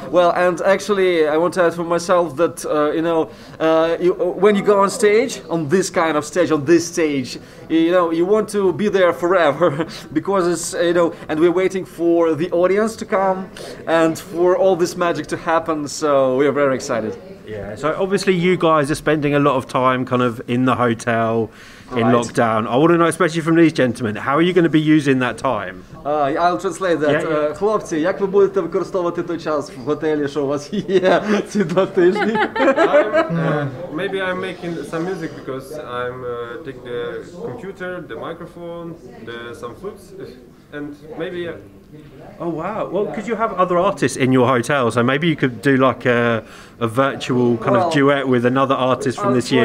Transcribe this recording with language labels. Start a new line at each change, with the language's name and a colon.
English: Well, and actually, I want to add for myself that when you go on stage, on this kind of stage, on this stage, you know, you want to be there forever because it's, you know, and we're waiting for the audience to come and for all this magic to happen. So we are very excited. Yeah, so obviously you guys are spending a lot of time kind of in the hotel, in lockdown. I want to know, especially from these gentlemen, how are you going to be using that time? I'll translate that. Yeah, yeah.
Ukrainian: Хлопці, як ви будете використовувати той час в готелі, що у вас є ці два тижні?
English: Maybe I'm making some music because I'm taking the computer, the microphone, some flutes, and maybe... Oh wow, well could you have other artists in your hotel, so maybe you could do like a virtual kind of duet with another artist from this year.